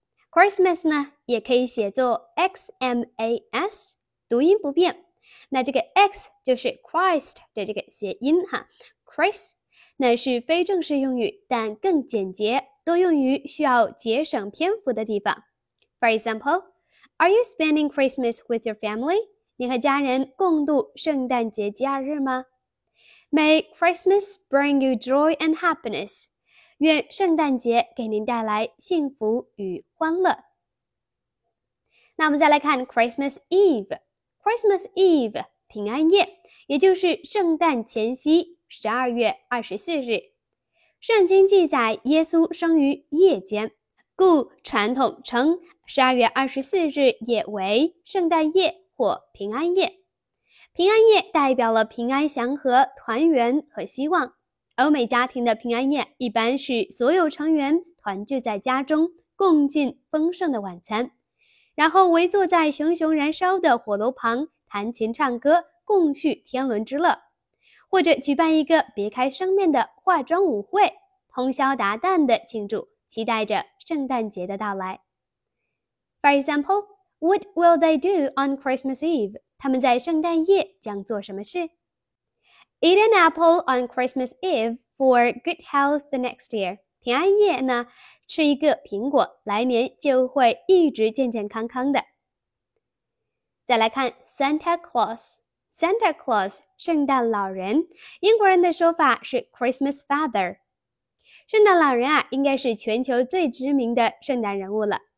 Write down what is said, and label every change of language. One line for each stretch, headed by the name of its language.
Chinese: Christmas 呢，也可以写作 XMAS， 读音不变。那这个 X 就是 Christ 的这个谐音哈 ，Chris， 那是非正式用语，但更简洁，多用于需要节省篇幅的地方。
English: For example, are you spending Christmas with your family?
Chinese: 你和家人共度圣诞节假日吗 ？
English: May Christmas bring you joy and happiness.
Chinese: 愿圣诞节给您带来幸福与欢乐。那我们再来看 Christmas Eve。Christmas Eve， 平安夜，也就是圣诞前夕，12月24日。圣经记载耶稣生于夜间，故传统称12月24日也为圣诞夜或平安夜。平安夜代表了平安祥和、团圆和希望。欧美家庭的平安夜一般是所有成员团聚在家中，共进丰盛的晚餐。然后围坐在熊熊燃烧的火炉旁，弹琴唱歌，共叙天伦之乐，或者举办一个别开生面的化妆舞会，通宵达旦的庆祝，期待着圣诞节的到来。
English: For example, what will they do on Christmas Eve?
Chinese: 他们在圣诞夜将做什么事 ？
English: Eat an apple on Christmas Eve for good health the next year.
Chinese: 平安夜呢？吃一个苹果，来年就会一直健健康康的。再来看 Santa Claus， Santa Claus 圣诞老人，英国人的说法是 Christmas Father。圣诞老人啊，应该是全球最知名的圣诞人物了。